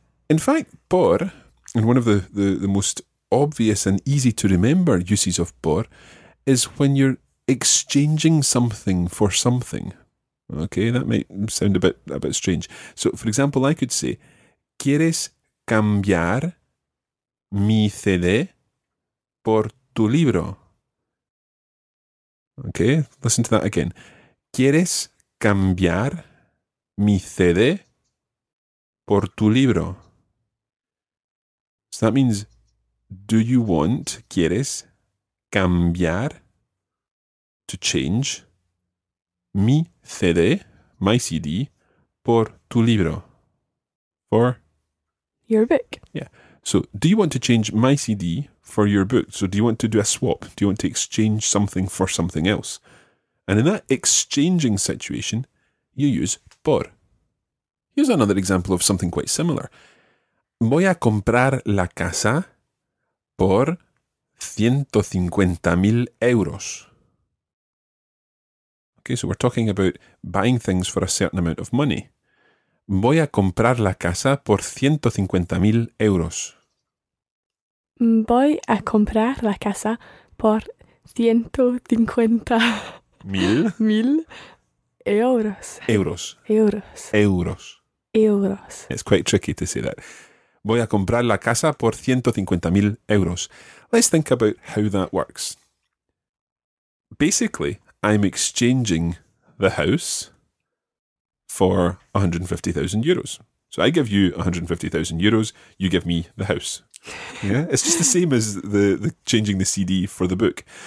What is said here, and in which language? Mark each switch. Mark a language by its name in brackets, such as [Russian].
[English] In fact, por, and one of the most obvious and easy to remember uses of por, is when you're exchanging something for something. Okay, that might sound a bit strange. So, for example, I could say, [Spanish] ¿Quieres cambiar mi CD por tu libro? [English] Okay, listen to that again. [Spanish] ¿Quieres cambiar mi CD por tu libro? [English] So that means, do you want, [Spanish] quieres cambiar, [English] to change, [Spanish] mi CD, [English] my CD, [Spanish] por tu libro, [English] for your book. Yeah. So, do you want to change my CD for your book? So, do you want to do a swap? Do you want to exchange something for something else? And in that exchanging situation, you use por. Here's another example of something quite similar. [Spanish] Voy a comprar la casa por 150,000 euros. [English] Okay, so we're talking about buying things for a certain amount of money. [Spanish] Voy a comprar la casa por 150,000 euros. Voy a comprar la casa por 150,000 euros. Euros. Euros. Euros. Euros. [English] It's quite tricky to say that. [Spanish] Voy a comprar la casa por 150,000 euros. [English] Let's think about how that works. Basically, I'm exchanging the house for 150,000 euros. So I give you 150,000 euros, you give me the house. Yeah, it's just the same as the changing the CD for the book.